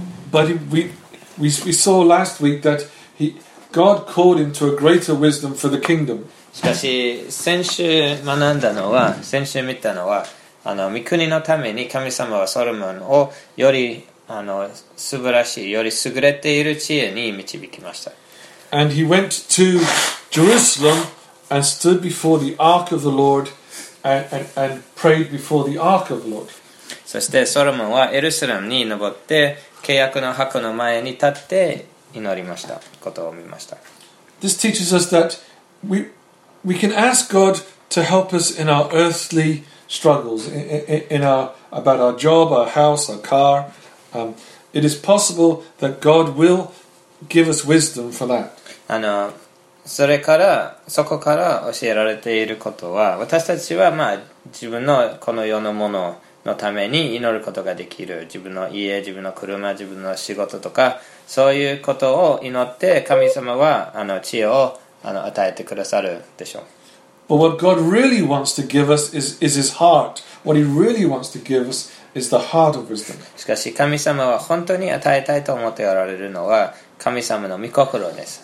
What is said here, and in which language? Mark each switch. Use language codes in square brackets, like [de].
[en] But we saw last week that God called him to a greater wisdom for the kingdom. [ja] しかし、先週見たのは、御国のために神様はソロモンをより素晴らしい、より優れている知恵に導きました。 [en] And he went to Jerusalem and stood before the Ark of the Lord. And prayed before the Ark of the Lord. [ja] そしてソロモンはエルサレムに登って、契約の箱の前に立って祈りましたことを見ました。 [en] this teaches us that we can ask God to help us in our earthly struggles, in our about our job, our house, our car. It is possible that God will give us wisdom for that. [ja] それからそこから教えられていることは、私たちはまあ自分のこの世のもののために祈ることができる、自分の家、自分の車、自分の仕事とか、そういうことを祈って神様は知恵を与えてくださるでしょう。 [en] But what God really wants to give us is His heart. What He really wants to give us is the heart of wisdom. [ja] しかし神様は本当に与えたいと思っておられるのは神様の御心です。